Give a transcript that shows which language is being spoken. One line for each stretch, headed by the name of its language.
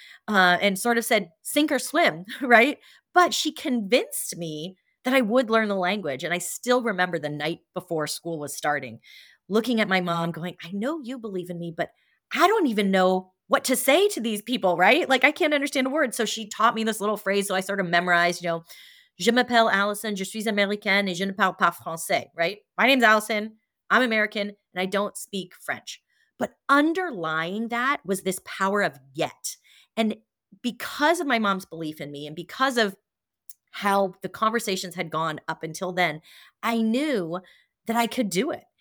English: and sort of said, sink or swim, right? But she convinced me that I would learn the language. And I still remember the night before school was starting, looking at my mom going, I know you believe in me, but I don't even know what to say to these people, right? Like, I can't understand a word. So she taught me this little phrase. So I sort of memorized, you know,
French: je m'appelle Alison, je suis américaine et je ne parle pas français, right?
English: My name's Alison, I'm American, and I don't speak French. But underlying that was this power of yet. And because of my mom's belief in me and because of how the conversations had gone up until then, I knew that I could do it.